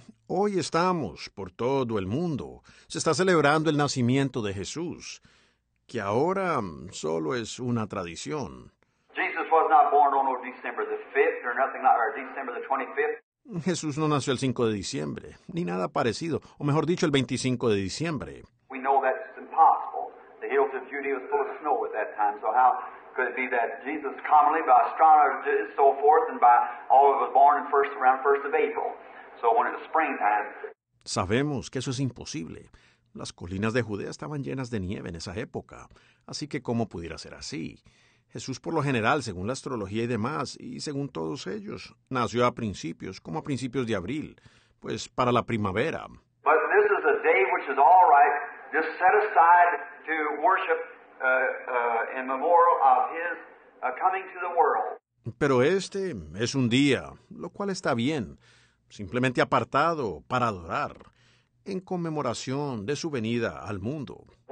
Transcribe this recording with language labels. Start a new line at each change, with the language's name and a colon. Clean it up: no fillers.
Spanish: Hoy estamos por todo el mundo. Se está celebrando el nacimiento de Jesús, que ahora solo es una tradición.
English: Jesus was not born on December the 5th or nothing like, or December the 25th.
Spanish: Jesús no nació el 5 de diciembre, ni nada parecido, o mejor dicho, el 25 de diciembre.
English: We know that's impossible. The hills of Judea was full of snow at that time, so how could it be that Jesus commonly by astronomers and so forth and by all of us born in first around 1st of April? So when it's springtime.
Spanish: Sabemos que eso es imposible. Las colinas de Judea estaban llenas de nieve en esa época, así que ¿cómo pudiera ser así? Jesús, por lo general, según la astrología y demás, y según todos ellos, nació a principios, como a principios de abril, pues para la primavera.
English: But this is a day which is all right, just set aside to worship in memorial of his coming to the world.
Spanish: Pero este es un día, lo cual está bien, simplemente apartado para adorar, en conmemoración de su venida al mundo.